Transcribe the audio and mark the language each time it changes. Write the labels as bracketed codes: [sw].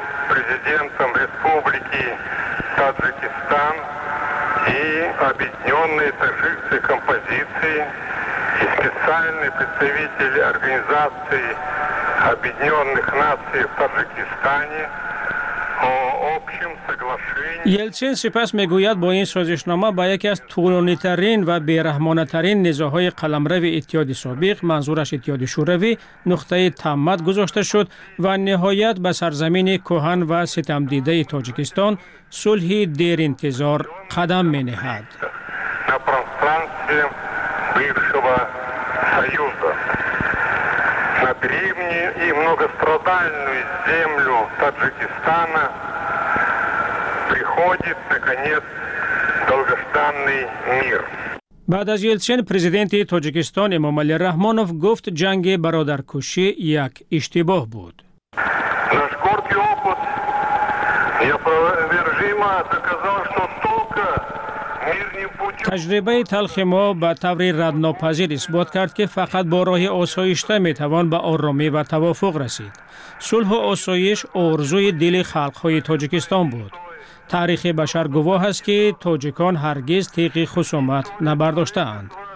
[ru] президентом республики Таджикистан и объединенной таджикской композиции и специальный представитель организации объединенных наций в Таджикистане о общем соглашении. [tg] Ельцин сейчас мегуяд бо ин созишнома ба яке аз тулонитарин ва бераҳмонатарин низоҳои қаламрави иттиҳоди собиқ, манзураш иттиҳоди шӯравӣ, нуқтаи таъмад гузошта шуд ва ниҳоят ба сарзамини кӯҳан ва ситамдидаи Тоҷикистон сулҳи деринтизор қадам менеҳад. [ru] На пространстве бывшего союза, на древнюю и многострадальную землю Таджикистана приходит наконец долгожданный мир. [fa] بعد از یلسین، پرزیدنت تاجیکستان امام علی رحمانوف گفت جنگ برادرکشی یک اشتباه بود. [ru] Наш горький опыт неопровержимо доказал, что только мирный путь. [fa] تجربه تلخ ما به طور ردناپذیر اثبات کرد که فقط با راه آسایشته می توان به آرامی و توافق رسید. صلح و آسایش آرزوی دل خلق‌های تاجیکستان بود. تاریخ بشر گواه است که تاجیکان هرگز تیغ خصومت نبرداشتند.